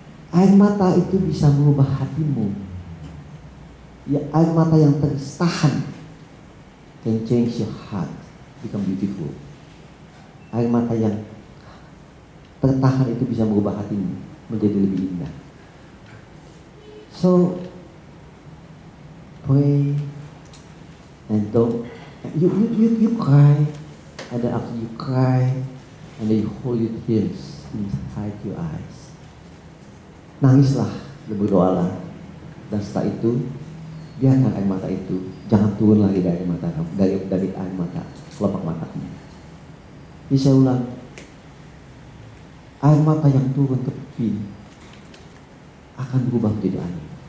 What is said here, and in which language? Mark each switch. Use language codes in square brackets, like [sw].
[id] Air mata itu bisa mengubah hatimu. Ya, air mata yang tertahan [en] can change your heart, become beautiful. [id] Air mata yang tertahan itu bisa mengubah hatimu menjadi lebih indah. [en] So pray and don't you cry, and then after you cry, and then you hold your tears inside your eyes. [id] Nangislah, berdoalah, dan setelah itu biarkan air mata itu, jangan turun lagi dari mata kamu, dari air mata kelopak matamu. Jadi saya ulang, air mata yang turun ke tepi akan berubah menjadi air.